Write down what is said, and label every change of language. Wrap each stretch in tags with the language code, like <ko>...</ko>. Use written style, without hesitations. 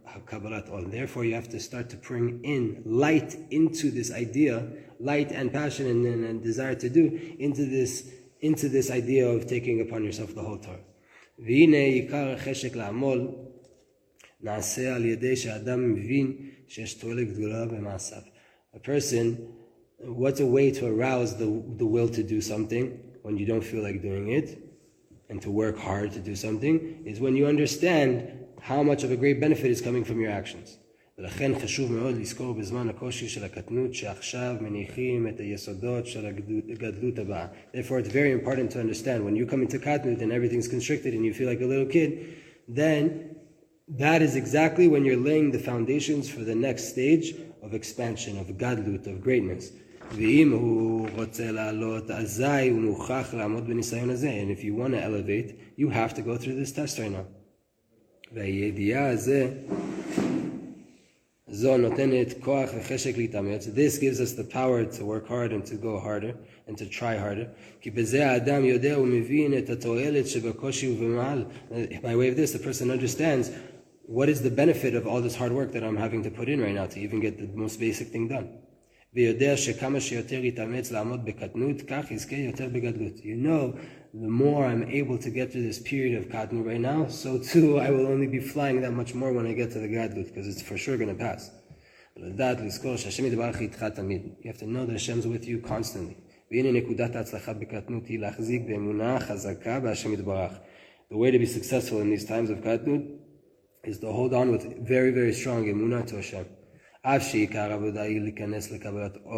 <en>Therefore, you have to start to bring in light into this idea, light and passion and desire to do, into this idea of taking upon yourself the whole Torah.</en> <he>והנה עיקר החשק לעמול נעשה על ידי שאדם מבין שיש תועלת גדולה במעשיו.</he> <en>A person, what's a way to arouse the will to do something when you don't feel like doing it and to work hard to do something is when you understand how much of a great benefit is coming from your actions.</en> <he>ולכן חשוב מאוד לזכור בזמן הקושי של הקטנות שעכשיו מניחים את היסודות של הגדלות הבאה.</he> <en>Therefore, it's very important to understand when you come into katnut and everything's constricted and you feel like a little kid, then that is exactly when you're laying the foundations for the next stage of expansion, of gadlut, of greatness.</en> <he>ואם הוא רוצה לעלות, אזי הוא מוכרח לעמוד בניסיון הזה.</he> <en>And if you want to elevate, you have to go through this test right now.</en> <he>והידיעה הזה... זו נותנת כוח וחשק להתאמץ.</he> <en>This gives us the power to work hard and to go harder and to try harder.</en> <he>כי בזה האדם יודע ומבין את התועלת שבקושי ובמעל.</he> <en>By way of this, the person understands what is the benefit of all this hard work that I'm having to put in right now to even get the most basic thing done.</en> <he>ויודע שכמה שיותר יתאמץ לעמוד בקטנות, כך יזכה יותר בגדלות.</he> <en>You know, the more I'm able to get through this period of katnut right now, so too I will only be flying that much more when I get to the gadlut, because it's for sure going to pass. You have to know that Hashem's with you constantly. The way to be successful in these times of katnut is to hold on with very, very strong emunah to Hashem.</en>